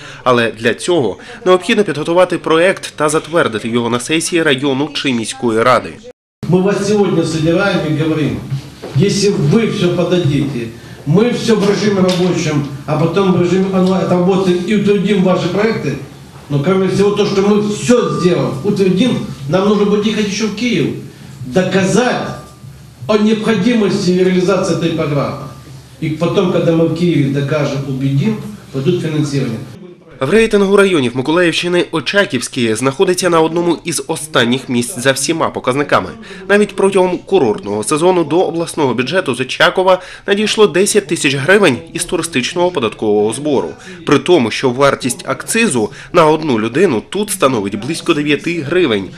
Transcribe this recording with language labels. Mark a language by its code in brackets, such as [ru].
[uk] Але для цього необхідно підготувати проєкт та затвердити його на сесії району чи міської ради. Ми вас сьогодні збираємо і говоримо, якщо ви все подадите, ми все в режимі робочому, а потім в режимі онлайн-роботи і утвердимо ваші проєкти. [ru] Ну, кроме всего, то, что мы все сделаем, утвердим, нам нужно будет ехать еще в Киев, доказать о необходимости реализации этой программы. И потом, когда мы в Киеве докажем, убедим, пойдут финансирование. [uk] В рейтингу районів Миколаївщини Очаківський знаходиться на одному із останніх місць за всіма показниками. Навіть протягом курортного сезону до обласного бюджету з Очакова надійшло 10 тисяч гривень із туристичного податкового збору. При тому, що вартість акцизу на одну людину тут становить близько 9 гривень.